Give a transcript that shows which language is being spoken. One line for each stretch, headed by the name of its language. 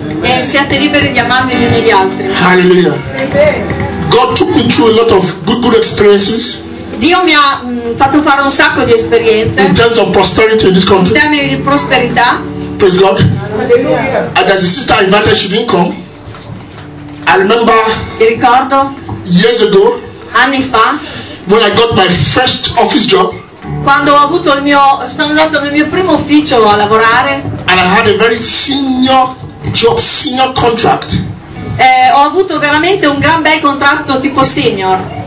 Italian: E siate liberi di amarvi gli uni gli altri.
English: Hallelujah. Amen. God took me through a lot of good experiences.
Italian: Dio mi ha fatto fare un sacco di esperienze.
English: In terms of prosperity in this country.
Italian: In termini di prosperità.
English: Praise God.
Italian: Alleluia.
English: And as a sister invited, she didn't come. I remember.
Italian: Ti ricordo.
English: Years ago.
Italian: Anni fa.
English: When I got my first office job.
Italian: quando ho avuto il mio, sono andato nel mio primo ufficio a lavorare.
English: And I had a very senior job, senior contract.
Italian: Ho avuto veramente un gran bel contratto tipo senior.